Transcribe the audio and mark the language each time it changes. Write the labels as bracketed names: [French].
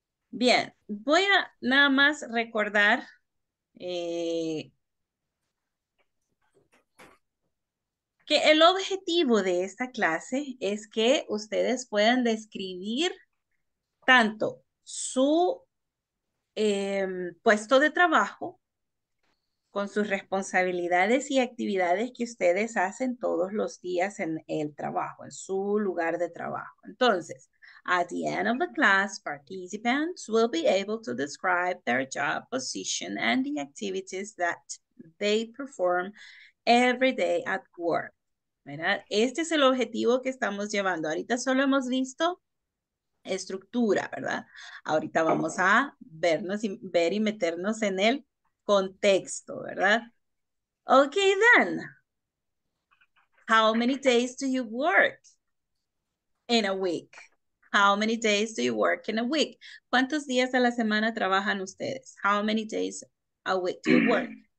[Spanish] Bien, voy a nada más recordar que el objetivo de esta clase es que ustedes puedan describir tanto su puesto de trabajo con sus responsabilidades y actividades que ustedes hacen todos los días en el trabajo, en su lugar de trabajo. Entonces, [English] at the end of the class, participants will be able to describe their job position and the activities that they perform every day at work. [Spanish] ¿Verdad? Este es el objetivo que estamos llevando. Ahorita solo hemos visto estructura, ¿verdad? Ahorita vamos a ver y meternos en el contexto, ¿verdad? [English] Okay, then. How many days do you work in a week? How many days do you work in a week? [Spanish] ¿Cuántos días a la semana trabajan ustedes? [English] How many days a week do you work?